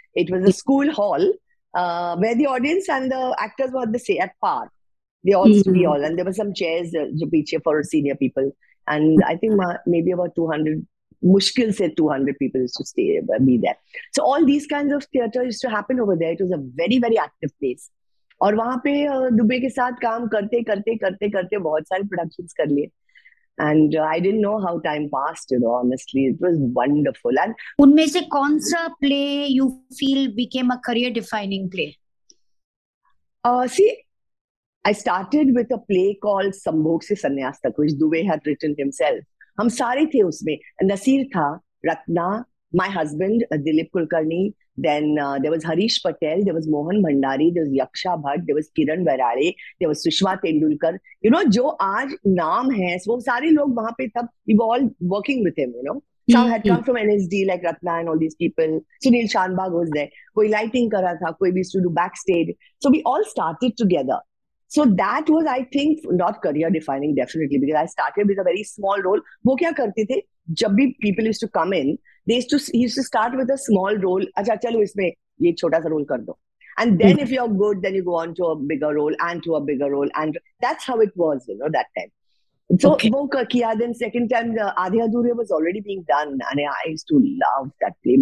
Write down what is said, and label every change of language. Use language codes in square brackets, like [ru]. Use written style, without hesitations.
[en] It was a school hall where the audience and the actors were the same at par. They all used to be all, and there were some chairs [hi] जो पीछे [en] for senior people. And I think maybe about 200, [hi] mushkil se [en] 200 people used to stay, be there. So all these kinds of theatre used to happen over there. It was a very, very active place. [hi] और वहाँ पे दुबे के साथ काम करते करते करते करते बहुत सारे productions कर लिए. [en] And I didn't know how time passed, honestly. It was wonderful. And [hi] उनमें से कौन सा [en] Play you feel became a career defining play? see, I started with a play called Sambhog Se Sanyas Tak, which Dubey had written himself. [hi] हम सारे थे उसमें. नसीर था, [en] Ratna, my husband Dilip Kulkarni, then there was Harish Patel, there was Mohan Bhandari, there was Yaksha Bhatt, there was Kiran Varade, there was Sushma Tendulkar. [hi] जो आज नाम है वो सारे लोग वहां पे, तब [en] We all working with him. Some had come from NSD like Ratna and all these people. Sunil Shanbhag was there. [hi] कोई लाइटिंग कर रहा था, कोई भी studio back stage. [en] So we all started together. So that was, I think, not career defining, definitely, because I started with a very small role. [hi] वो क्या करते थे, जब भी [en] People use to come in, they use to start with a small role. [hi] अच्छा चलो इसमें ये छोटा सा रोल कर दो, [en] And then if you are good then you go on to a bigger role and to a bigger role. And that's how it was, that time. [hi] सो वो किया, [en] Then second time आधे अधूरे was already being done, and I use to love that play.